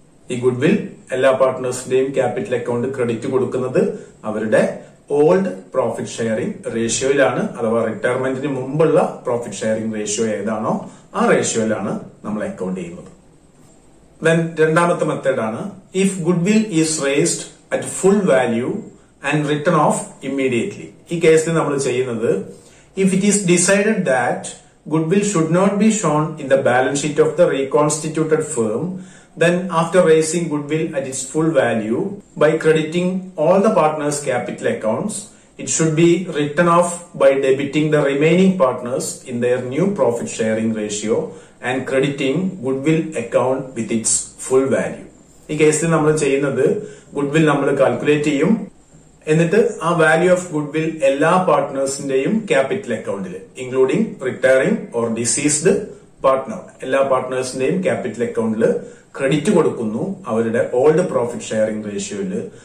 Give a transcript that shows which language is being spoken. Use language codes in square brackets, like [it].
[ml] ഈ ഗുഡ്വിൽ എല്ലാ പാർട്ട്നേഴ്സിന്റെയും capital account credit കൊടുക്കുന്നത് അവരുടെ ഓൾഡ് പ്രോഫിറ്റ് ഷെയറിംഗ് റേഷ്യോയിലാണ്, അഥവാ റിട്ടയർമെന്റിന് മുമ്പുള്ള പ്രോഫിറ്റ് ഷെയറിംഗ് റേഷ്യോ ഏതാണോ ആ റേഷ്യോയിലാണ് നമ്മൾ അക്കൗണ്ട് ചെയ്യുന്നത്. [en] then [ml] രണ്ടാമത്തെ മെത്തേഡ് ആണ് [en] If goodwill is raised at full value and written off immediately. [ml] ഈ കേസിൽ നമ്മൾ ചെയ്യുന്നത് [en] If it is decided that goodwill should not be shown in the balance sheet of the reconstituted firm, then after raising goodwill at its full value by crediting all the partners capital accounts, it should be written off by debiting the remaining partners in their new profit sharing ratio and crediting goodwill account with its full value. [ml] ഈ കേസിൽ നമ്മൾ ചെയ്യുന്നത് goodwill നമ്മൾ calculate ചെയ്യും, എന്നിട്ട് ആ value of goodwill എല്ലാ പാർട്ട്നേഴ്സിന്റെയും capital അക്കൗണ്ടിൽ [en] including retiring or deceased partner [ml] എല്ലാ പാർട്ട്നേഴ്സിന്റെയും ക്യാപിറ്റൽ അക്കൗണ്ടിൽ ക്രെഡിറ്റ് കൊടുക്കുന്നു അവരുടെ ഓൾഡ് പ്രോഫിറ്റ് ഷെയറിംഗ് റേഷ്യോയില്.